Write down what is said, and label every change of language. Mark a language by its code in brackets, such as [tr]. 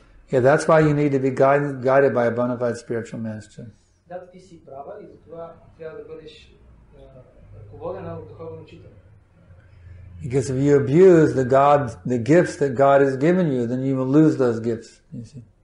[en] Yeah, that's why you need to be guided by a bona fide spiritual master. That [bg] ти си права и затова трябва да бъдеш ръководена от духовен учител. [en] Because if you abuse the gifts that God has given you, then you will lose those gifts, you see.